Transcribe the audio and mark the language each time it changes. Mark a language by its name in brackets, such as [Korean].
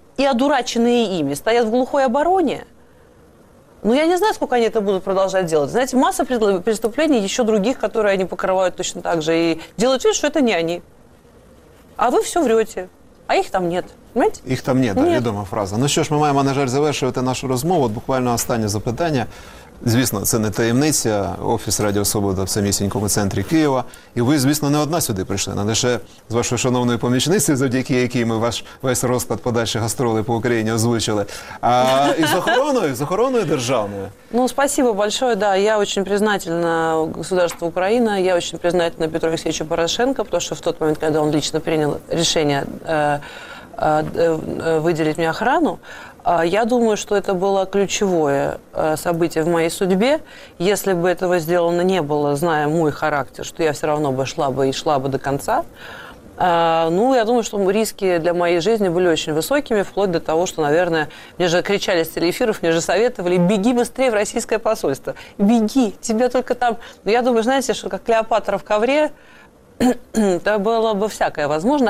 [Russian] и одураченные ими, стоят в глухой обороне. Ну, я не знаю, сколько они это будут продолжать делать. Знаете, масса преступлений еще других, которые они покрывают точно так же. И делают вид, что это не они. А вы все врете. А их там нет. Понимаете? Их там нет, да, [Ukrainian] відома фраза. Ну, що ж, ми маємо, на жаль, завершувати нашу розмову. От буквально останнє запитання. Звісно, це не таємниця. Офіс Радіо Свобода в самісінькому центрі Києва. І ви, звісно, не одна сюди прийшли. Не лише з вашою шановною помічницею, завдяки якій ми ваш весь розклад подальших гастролей по Україні озвучили. А і з охороною державною. [Russian] Ну, спасибо большое, да. [Ukrainian] Я дуже признательна государству Україна. Я дуже признательна Петру Олексійовичу Порошенко, тому що в той момент, коли він лично прийняв рішення выделить мне охрану, [Russian] я думаю, что это было ключевое событие в моей судьбе. Если бы этого сделано не было, зная мой характер, что я все равно бы шла бы и шла бы до конца, ну, я думаю, что риски для моей жизни были очень высокими, вплоть до того, что, наверное, мне же кричали с телеэфиров, мне же советовали, беги быстрее в российское посольство. Беги, тебя только там... Ну, я думаю, знаете, что как Клеопатра в ковре, это было бы всякое возможно.